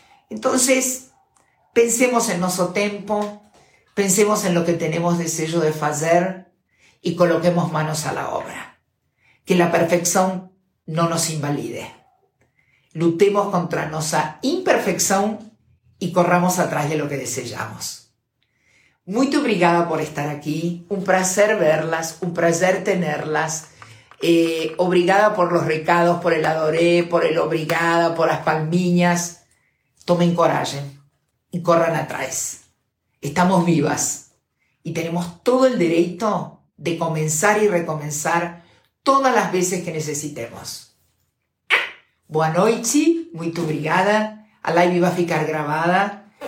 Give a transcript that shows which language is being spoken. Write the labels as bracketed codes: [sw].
[pt] Então, pensemos em nosso tempo, pensemos em lo que temos desejo de fazer e coloquemos [es] manos a la obra. [pt] Que a perfeição não nos invalide. Lutemos contra nossa imperfeição e corramos atrás de lo que desejamos. Muito obrigada por estar aqui. Um prazer verlas, um prazer tenerlas. [es] Obrigada por los recados, por el adoré, por el obrigada, por las palminhas. [pt] Tomen coragem e corran atrás. Estamos vivas e temos todo o direito de começar e recomeçar todas as vezes que necessitemos. Boa noite, muito obrigada. A live vai ficar gravada.